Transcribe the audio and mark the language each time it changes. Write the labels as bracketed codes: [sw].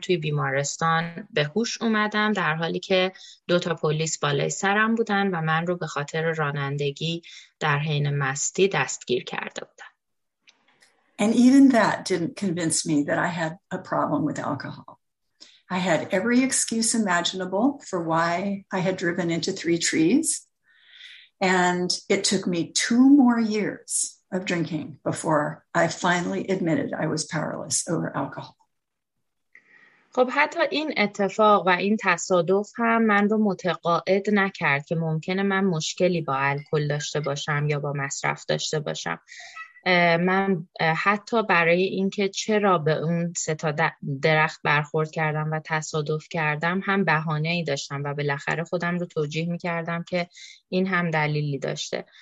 [fa] توی بیمارستان به هوش اومدم در حالی که 2 تا پلیس بالای سرم بودن و من رو به خاطر رانندگی در حین مستی دستگیر کرده بودن. [en] And even that didn't convince me that I had a problem with alcohol. I had every excuse imaginable for why I had driven into 3 trees. And it took me 2 more years of drinking before I finally admitted I was powerless over alcohol. [fa] خب حتی این اتفاق و این تصادف هم من رو متقاعد نکرد که ممکنه من مشکلی با الکل داشته باشم یا با مصرف داشته باشم. من حتی برای اینکه چرا به اون 3 تا درخت برخورد کردم و تصادف کردم هم بهانه ای داشتم و بالاخره خودم رو توجیه می کردم که این هم دلیلی داشته.